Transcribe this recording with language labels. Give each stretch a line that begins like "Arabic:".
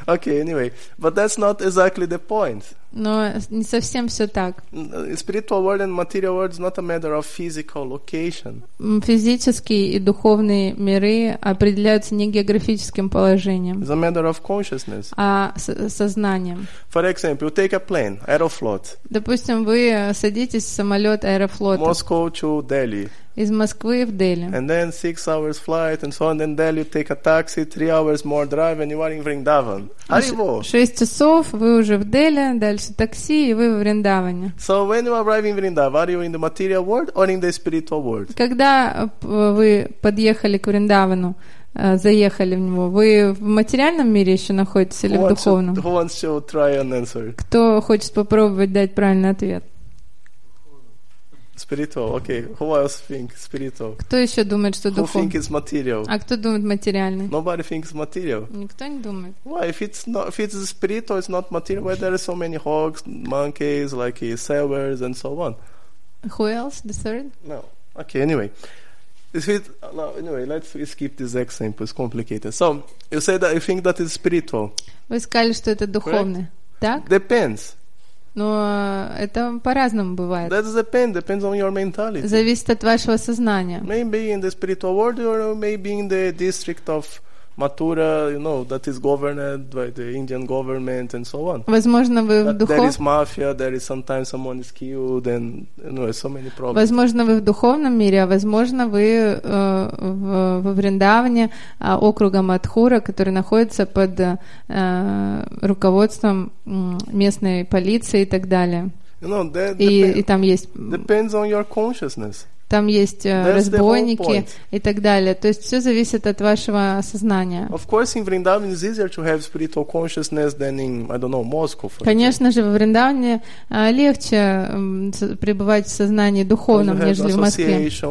English: Okay, anyway, but that's not exactly the point.
Russian: Но не совсем все так.
English: Spiritual world and material world is not a matter of physical location.
Russian: Физические и духовные миры определяются не географическим положением.
English: It's a matter of consciousness.
Russian: А сознанием.
English: For example, you take a plane, Aeroflot.
Russian: Допустим, вы садитесь в самолет Аэрофлота.
English: Moscow to Delhi.
Russian: Из Москвы в Дели.
English: And then 6 hours flight and so on, then Delhi you take a taxi, 3 hours more drive and you are in Vrindavan. Arrivo.
Russian: 6 часов вы уже в Дели, дальше такси и вы в Вриндаване.
English: So when you arrive in Vrindavan, are you in the material world or in the spiritual world?
Russian: Когда вы подъехали к Вриндавану, заехали в него, вы в материальном мире еще находитесь или
English: who
Russian: в духовном?
English: Who wants to try and answer?
Russian: Кто хочет попробовать дать правильный ответ?
English: Spiritual, okay. Who else think spiritual?
Russian: Кто еще думает, что духовный?
English: Who think it's material?
Russian: А кто думает материальный?
English: Nobody thinks material.
Russian: Никто не думает.
English: Why? If it's spiritual, it's not material. Why there are so many hogs, monkeys, like sailors and so on? Who else? The third? No. Okay. Anyway. Let's skip this example. It's complicated. So you say that you think that it's spiritual.
Russian: Вы сказали, что это духовный.
English: Correct?
Russian: Так?
English: Depends.
Russian: Но это по-разному бывает.
English: That depends on your mentality.
Russian: Зависит от вашего сознания.
English: Maybe in the spiritual world or maybe in the district of Mathura, you know, that is governed by the Indian government and so on.
Russian: Возможно, вы в духовном.
English: There is mafia, there is sometimes someone is killed and you know, so many problems.
Russian: Возможно, вы в духовном мире, а возможно, вы во Вриндаване, округа Матхура, который находится под руководством местной полиции и так далее.
English: You know,
Russian: и там есть.
English: Depends on your consciousness.
Russian: там есть разбойники и так далее. То есть все зависит от вашего сознания.
English: Of course, in Vrindavan it's easier to have spiritual consciousness than in, I don't know, Moscow.
Russian: Конечно же, в Вриндаване легче пребывать в сознании духовном, нежели в Москве.